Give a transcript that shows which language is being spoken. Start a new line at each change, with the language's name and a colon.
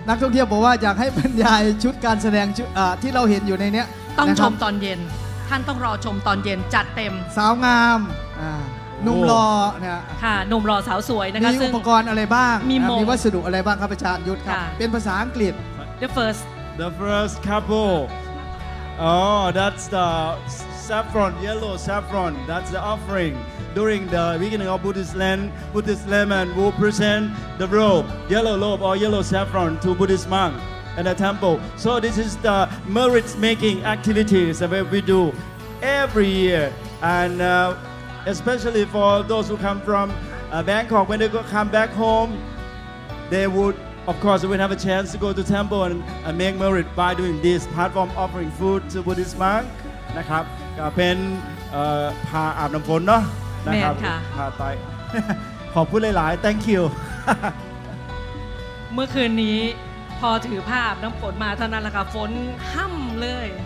Thai: นักท่องเที่ยวบอกว่าอยากให้บรรยายชุดการแสดงที่เราเห็นอยู่ในเนี้ย ต้องชมตอนเย็นท่านต้องรอชมตอนเย็นจัดเต็ม สาวงามหนุ่มรอเนี่ย ค่ะหนุ่มรอสาวสวยนะคะ มีอุปกรณ์อะไรบ้าง มี วัสดุอะไรบ้างครับอาจารย์ยุทธครับเป็นภาษาอังกฤษ
English: The first couple that's the saffron yellow saffron that's the offering during the beginning of Buddhist layman will present the robe yellow robe or yellow saffron to Buddhist monk. In the temple. So this is the merit making activities that we do every year. And especially for those who come from Bangkok, when they come back home, they would, of course, they would have a chance to go to temple and make merit by doing this platform offering food to Buddhist monk.
Thai: นะครับ ก็เป็น พาอาบน้ำฝนเนาะ นะครับ พาไป ขอบคุณหลายๆ
English: Thank you.
Thai: เมื่อคืนนี้พอถือภาพน้ำฝนมาเท่านั้นแหละค่ะฝนห่ำเลย